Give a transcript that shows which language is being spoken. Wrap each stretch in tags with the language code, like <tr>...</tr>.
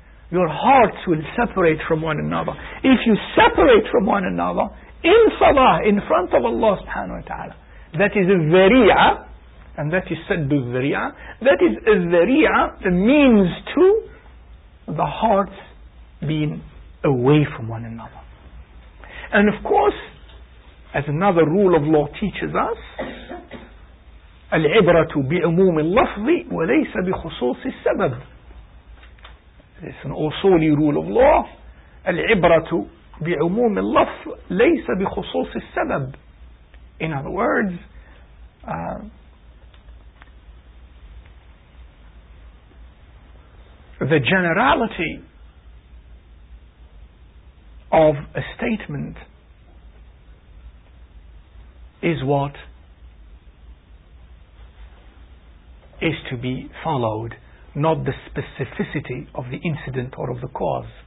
<en>Your hearts will separate from one another. If you separate from one another, in salah, in front of Allah subhanahu wa ta'ala, that is a zari'ah, and that is saddu zari'ah, that is a zari'ah, the means to the hearts being away from one another. And of course, as another rule of law teaches us,</en> <ar>العبرة بعموم اللفظ وليس بخصوص السبب.</ar> <en>It's an Usuli rule of law.</en> <ar>العبرة بعموم اللفظ ليس بخصوص السبب.</ar> <en>In other words, the generality of a statement is what is to be followed, not the specificity of the incident or of the cause.</en>